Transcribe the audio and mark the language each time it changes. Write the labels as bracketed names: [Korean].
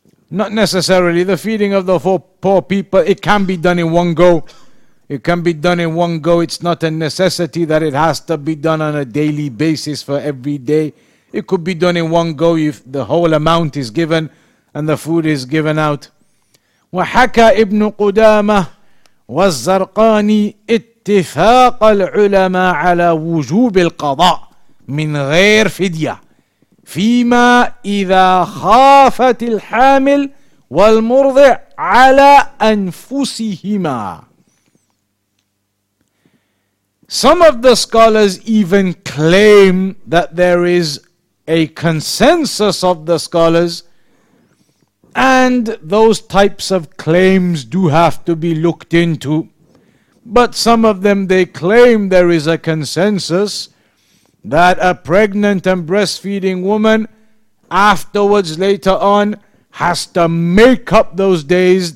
[English] Not necessarily. The feeding of the poor people, it can be done in one go. It can be done in one go. It's not a necessity that it has to be done on a daily basis for every day. It could be done in one go if the whole amount is given and the food is given out. [Arabic] وحكى ابن قدامة والزرقاني اتفاق العلماء على وجوب القضاء من غير فدية فيما إذا خافت الحامل والمرضع على أنفسهما. [English] Some of the scholars even claim that there is a consensus of the scholars, and those types of claims do have to be looked into. But some of them, they claim there is a consensus that a pregnant and breastfeeding woman afterwards, later on, has to make up those days.